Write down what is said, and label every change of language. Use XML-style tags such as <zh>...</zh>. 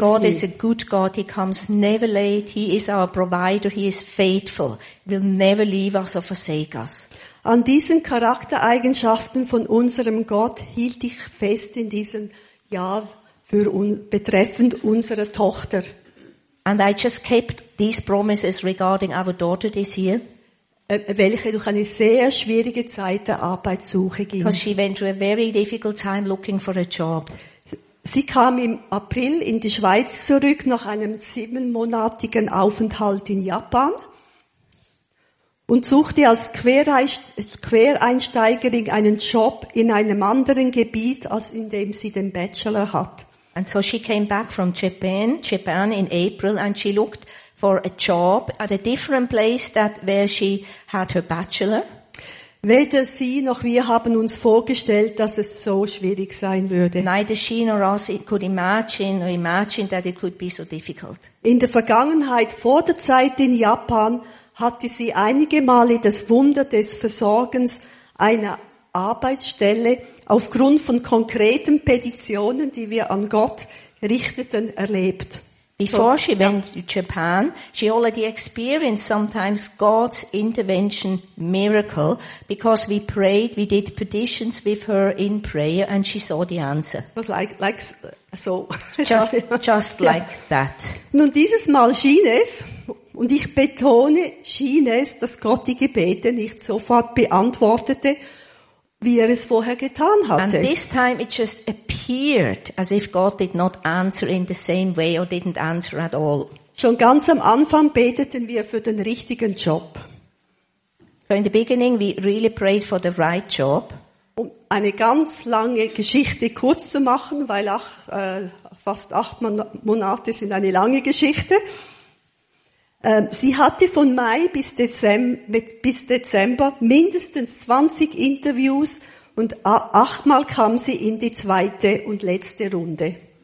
<en>Yes, God is a good God. He comes never late. He is our provider. He is faithful. He will never leave us or forsake us.</en> <de>An diesen Charaktereigenschaften von unserem Gott hielt ich fest in diesem Jahr für betreffend unsere Tochter.</de> <en>And I just kept these promises regarding our daughter this year.</en> <de>Welche durch eine sehr schwierige Zeit der Arbeitssuche ging.</de> <en>Because she went through a very difficult time looking for a job.</en> <de>Sie kam im April in die Schweiz zurück nach einem 7-monatigen Aufenthalt in Japan. Und suchte als Quereinsteigerin einen Job in einem anderen Gebiet, als in dem sie den Bachelor hat.</de> <en>And so she came back from Japan in April, and she looked for a job at a different place that where she had her bachelor.</en> <de>Weder sie noch wir haben uns vorgestellt, dass es so schwierig sein würde.</de> <en>Neither she nor us could imagine that it could be so difficult.</en> <de>In der Vergangenheit, vor der Zeit in Japan, hatte sie einige Male das Wunder des Versorgens einer Arbeitsstelle aufgrund von konkreten Petitionen, die wir an Gott richteten, erlebt.</de> <en>Before she went to Japan, she already experienced sometimes God's intervention miracle because we prayed, we did petitions with her in prayer and she saw the answer. Like so. Just like that.</en> <de>Nun, dieses Mal schien es, und ich betone, schien es, dass Gott die Gebete nicht sofort beantwortete, wie er es vorher getan hatte.</de> <en>And this time it just appeared as if God did not answer in the same way or didn't answer at all.</en> <de>Schon ganz am Anfang beteten wir für den richtigen Job.</de> <en>So in the beginning we really prayed for the right job.</en> <de>Um eine ganz lange Geschichte kurz zu machen, weil fast 8 Monate sind eine lange Geschichte. Sie hatte von Mai bis Dezember mindestens 20 Interviews und 8-mal kam sie in die zweite und letzte Runde.</de>